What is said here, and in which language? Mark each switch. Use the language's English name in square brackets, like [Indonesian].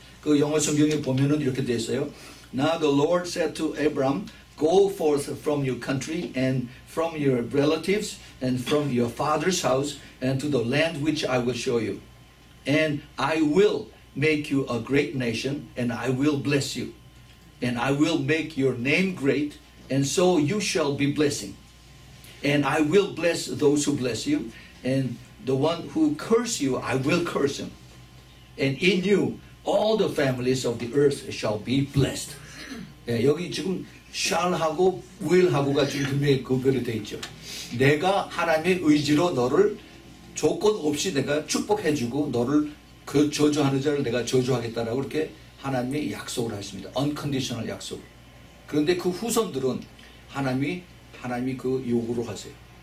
[Korean] 그 영어 성경에 보면은 이렇게 되어 있어요. [English] Now the Lord said to Abram, Go forth from your country and from your relatives and from your father's house and to the land which I will show you. And I will make you a great nation and I will bless you. And I will make your name great, and so you shall be blessing. And I will bless those who bless you, and the one who curse you, I will curse him. And in you, all the families of the earth shall be blessed. [Korean] 예, 여기 지금 shall하고 will하고가 지금 구별이 되어 있죠. 내가 하나님의 의지로 너를 조건 없이 내가 축복해주고 너를 그 저주하는 자를 내가 저주하겠다라고 그렇게 하나님이 약속을 하십니다. unconditional 약속. 그런데 그 후손들은 하나님이 그 요구를 하세요.